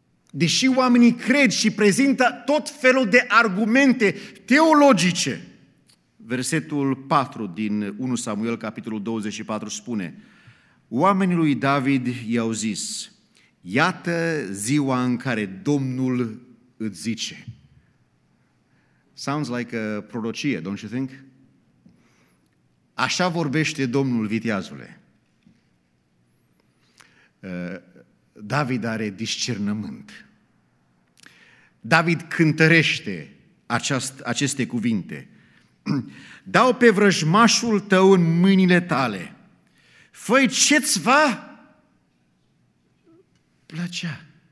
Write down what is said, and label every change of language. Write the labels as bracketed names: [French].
[Romanian] Deși oamenii cred și prezintă tot felul de argumente teologice. Versetul 4 din 1 Samuel, capitolul 24, spune: oamenii lui David i-au zis, iată ziua în care Domnul îți zice. [English] Sounds like a prorocie, don't you think? [Romanian] Așa vorbește Domnul, viteazule. David are discernământ. David cântărește aceste cuvinte. Dau pe vrăjmașul tău în mâinile tale. Fă-i ce-ți va plăcea.